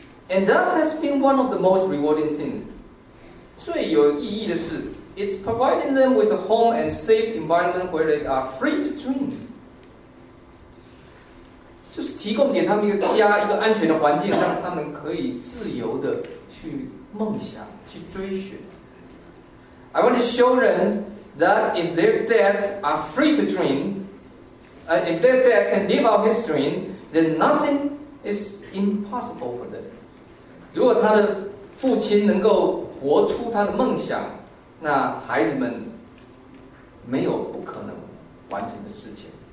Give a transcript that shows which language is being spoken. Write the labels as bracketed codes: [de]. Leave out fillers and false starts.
[en] And that has been one of the most rewarding things. [zh] 最有意义的是 [en] it's providing them with a home and safe environment where they are free to dream. [zh] 就是提供给他们一个家，一个安全的环境，让他们可以自由的去梦想，去追寻。 [en] I want to show them that if their dead are free to dream, if their dead can live out his dream, then nothing is impossible for them. [zh] 如果他的父亲能够活出他的梦想，那孩子们没有不可能完成的事情。